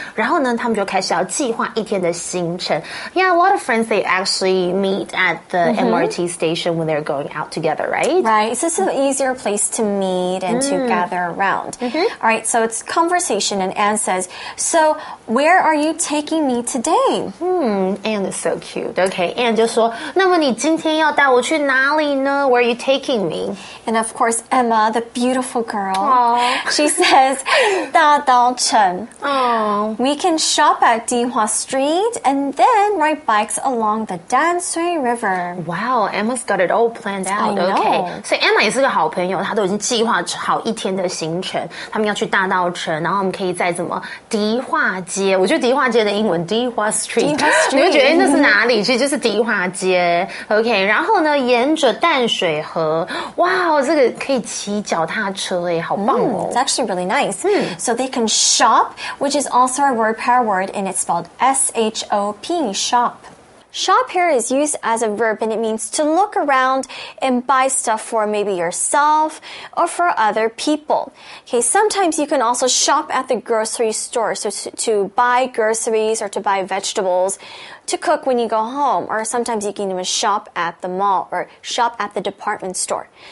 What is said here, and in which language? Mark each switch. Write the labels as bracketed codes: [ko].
[zh] 然后呢，他们就开始要计划一天的行程。 [en] Yeah, a lot of friends, they actually meet at the MRT station when they're going out together, right? Right, it's just an easier place to meet and to gather around. Mm-hmm. All right, so it's conversation, and Anne says, so where are you taking me today? Anne is so cute. Okay, Anne [zh] 就说，那么你今天要带我去哪里呢? [en] Where are you taking me? And of course, Emma, the beautiful girl, she says, 大道城. We can shop at Dihua Street and then ride bikes along the Dansui River. Wow, Emma's got it all planned out. I know. Okay. So [zh] Emma 也是个好朋友，她都已经计划好一天的行程。他们要去大道城，然后我们可以在什么迪化街，我觉得迪化街的英文 Dihua Street, [en] Dihua Street. [zh] 你会觉得那是哪里？其实就是迪化街。OK, 然后呢沿着淡水河哇这个可以骑脚踏车耶好棒哦 [en] It's actually really nice. So they can shop, which is also a word pair word, and it's spelled S-H-O-P, shop. Shop here is used as a verb, and it means to look around and buy stuff for maybe yourself or for other people. Okay, sometimes you can also shop at the grocery store, so to buy groceries or to buy vegetables,to cook when you go home, or sometimes you can even shop at the mall or shop at the department store.